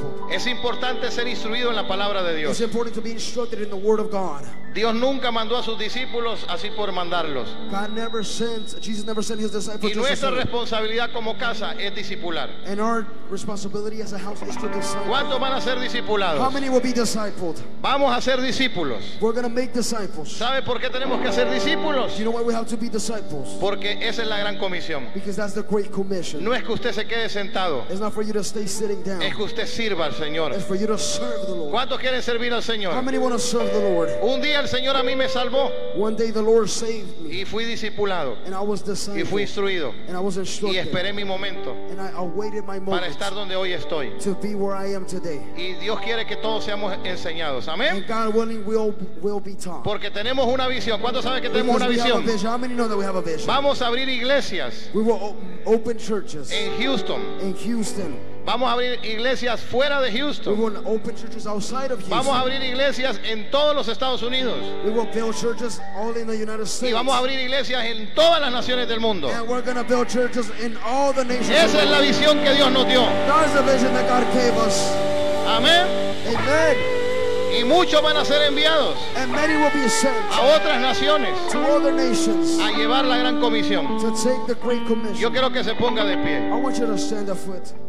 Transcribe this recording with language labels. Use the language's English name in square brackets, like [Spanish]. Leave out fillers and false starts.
[Spanish] Es importante ser instruido en la palabra de Dios. [English] It's important to be instructed in the word of God. [Spanish] Dios nunca mandó a sus discípulos así por mandarlos. [English] God never sent, Jesus never sent his disciples. [Spanish] Y nuestra responsabilidad como casa es discipular. [English] And our responsibility as a house is to disciple. [Spanish] ¿Cuántos van a ser discipulados? [English] How many will be discipled? [Spanish] Vamos a ser discípulos. [English] We're going to make disciples. [Spanish] ¿Sabe por qué tenemos que ser discípulos? [English] You know why we have to be disciples? [Spanish] Porque esa es la gran comisión. [English] Because that's the great commission. [Spanish] No es que usted se quede sentado. [English] It's not for you to stay sitting down. [Spanish] Es que usted sirva al Señor. [English] It's for you to serve the Lord. [Spanish] ¿Cuántos quieren servir al Señor? [English] How many want to serve the Lord? [Spanish] Un día el Señor a mí me salvó. [English] One day the Lord saved me. [Spanish] Y fui discipulado. [English] And I was discipled. [Spanish] Y fui instruido. [English] And I was instructed. [Spanish] Y esperé mi momento. [English] And I awaited my moment. [Spanish] Para estar donde hoy estoy. [English] To be where I am today. [Spanish] Y Dios quiere que todos seamos enseñados. Amén. [English] And God willing, we'll be taught. [Spanish] Porque tenemos una visión. ¿Cuántos saben que tenemos [English] because [Spanish] una visión? [English] We have a vision. How many know that we have a vision? [Spanish] Vamos a abrir iglesias. [English] We will open churches. [Spanish] En Houston. [English] In Houston. [Spanish] Vamos a abrir iglesias fuera de Houston. [English] We will open churches outside of Houston. [Spanish] Vamos a abrir iglesias en todos los Estados Unidos. [English] We will build churches all in the United States. [Spanish] Y vamos a abrir iglesias en todas las naciones del mundo. [English] And we're going to build churches in all the nations. [Spanish] Esa es la visión que Dios nos dio. [English] That's the vision that God gave us. [Spanish] Amén. [English] Amen. [Spanish] Y muchos van a ser enviados. [English] And many will be sent [Spanish] a otras naciones. [English] To other nations. [Spanish] A llevar la gran comisión. [English] To take the great commission. [Spanish] Yo quiero que se ponga de pie. [English] I want you to stand afoot.